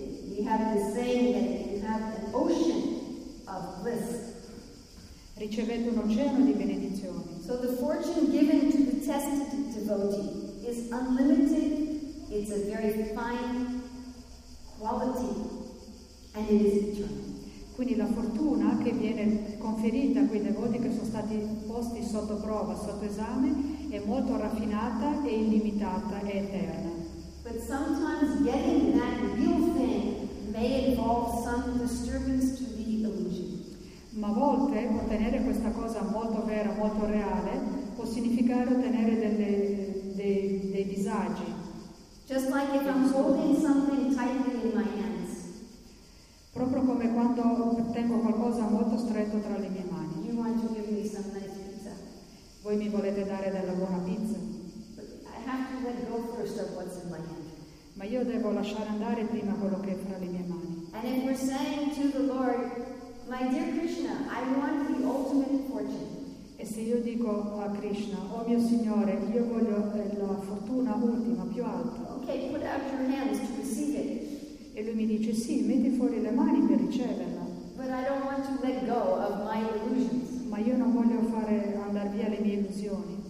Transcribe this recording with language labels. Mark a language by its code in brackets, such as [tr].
[en] We have the saying that you have an ocean of bliss. [it] Ricevete un oceano di benedizioni. [en] So the fortune given to the tested devotee is unlimited, it's a very fine quality, and it is eternal. [it] Quindi la fortuna che viene conferita a quei devoti che sono stati posti sotto prova, sotto esame, è molto raffinata e illimitata e eterna. [en] But sometimes getting that real thing may involve some disturbance to the illusion. [it] Ma a volte ottenere questa cosa molto vera, molto reale, può significare ottenere dei disagi. [en] Just like if I'm holding something tightly in my hands. [it] Proprio come quando tengo qualcosa molto stretto tra le mie mani. [en] You want to give me some nice pizza. [it] Voi mi volete dare della buona pizza. [en] I have to let go first of what's in my hand. [it] Ma io devo lasciare andare prima quello che è fra le mie mani. [en] And if we're saying to the Lord, my dear Krishna, I want the ultimate fortune. [it] E se io dico a Krishna, oh mio Signore, io voglio la fortuna ultima, più alta. [en] Okay, put out your hands to receive it. [it] E lui mi dice, sì, metti fuori le mani per riceverla. [en] But I don't want to let go of my illusions. [it] Ma io non voglio fare andare via le mie illusioni.